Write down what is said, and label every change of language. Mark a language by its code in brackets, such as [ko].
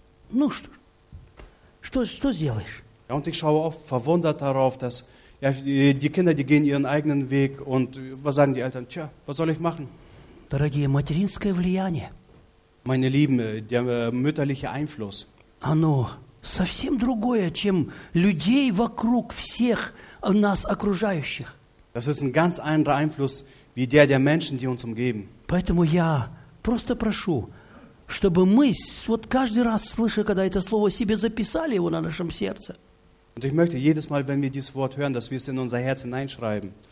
[ru] Ну что? Что сделаешь? [de] Ja, und ich schaue oft verwundert darauf, dass ja, die Kinder, die gehen ihren eigenen Weg und was sagen die Eltern? Tja, was soll ich machen? [ru] Дорогие, материнское влияние. [de] Meine Lieben, der mütterliche Einfluss. [ru] Оно совсем другое, чем людей вокруг всех нас окружающих. [de] Das ist ein ganz anderer Einfluss wie der Menschen, die uns umgeben. [ru] Поэтому я просто прошу, чтобы мы вот каждый раз слыша, когда это слово себе записали его на нашем сердце. [de] Und ich möchte jedes Mal, wenn wir dieses Wort hören, dass wir es in unser Herz hineinschreiben.